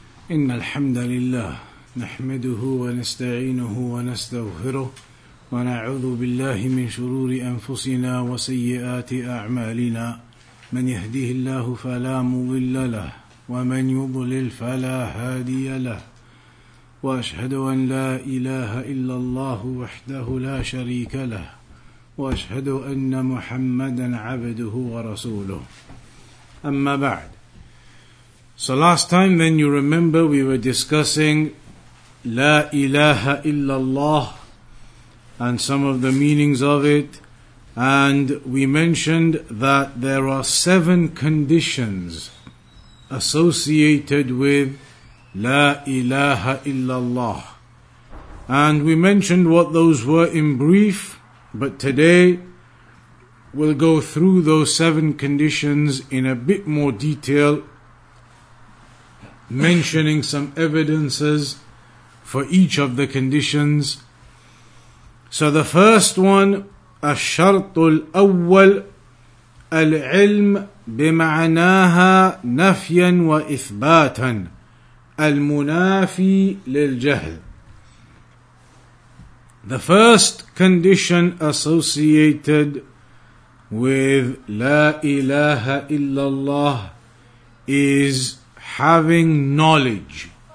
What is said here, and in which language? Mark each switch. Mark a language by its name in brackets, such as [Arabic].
[Arabic] إن الحمد لله نحمده ونستعينه ونستغفره ونعوذ بالله من شرور أنفسنا وسيئات أعمالنا من يهديه الله فلا مضل له ومن يضلل فلا هادي له وأشهد أن لا إله إلا الله وحده لا شريك له وأشهد أن محمدا عبده ورسوله أما بعد. [English] So last time, then, you remember, we were discussing La ilaha illallah and some of the meanings of it, and we mentioned that there are seven conditions associated with La ilaha illallah. And we mentioned what those were in brief, but today we'll go through those seven conditions in a bit more detail, mentioning some evidences for each of the conditions. So the first one, [Arabic] الشرط الأول العلم بمعناها نفيا وإثباتا المنافي للجهل. [English] The first condition associated with لا إله إلا الله is having knowledge